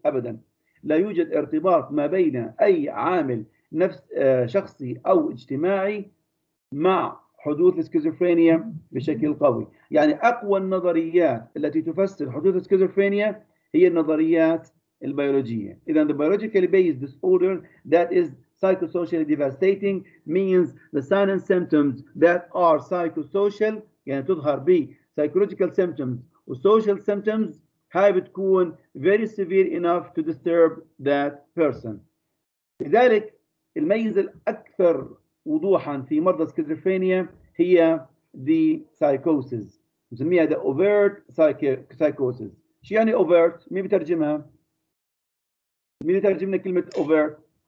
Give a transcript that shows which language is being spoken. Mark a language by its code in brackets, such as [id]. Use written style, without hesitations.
[ar] ابدا لا يوجد ارتباط ما بين اي عامل نفس شخصي او اجتماعي مع حدوث السكيزوفرينيا بشكل قوي. يعني اقوى النظريات التي تفسر حدوث السكيزوفرينيا هي النظريات البيولوجيه. [en] اذا the biologically based disorder that is psychosocially devastating means the signs and symptoms that are psychosocial, [ar] يعني تظهر ب [en] psychological symptoms و social symptoms، [ar] هاي بتكون [en] very severe enough to disturb that person. [ar] لذلك الميزة الأكثر وضوحاً في مرضى سكيزوفرينيا هي the psychosis، نسميها the overt psychosis. شو يعني overt؟ مين بترجمها؟ مين بترجم لنا كلمة overt؟